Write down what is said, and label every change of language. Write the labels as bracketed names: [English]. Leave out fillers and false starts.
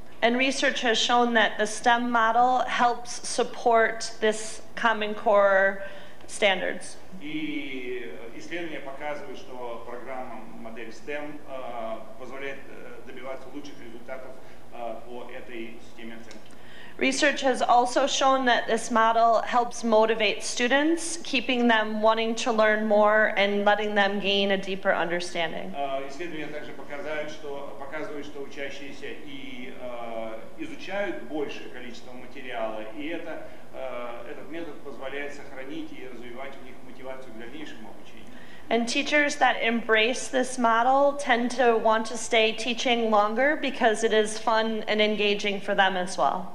[English] And research has shown that the STEM model helps support this Common Core standards. [Russian] И исследования показывают, что программа модель STEM позволяет добиваться лучших результатов по этой системе оценки. [English] Research has also shown that this model helps motivate students, keeping them wanting to learn more and letting them gain a deeper understanding. [Russian] Исследования также показывают, что учащиеся и изучают большее количество материала, и этот метод позволяет сохранить и развивать у них мотивацию к дальнейшему обучению. [English] And teachers that embrace this model tend to want to stay teaching longer because it is fun and engaging for them as well.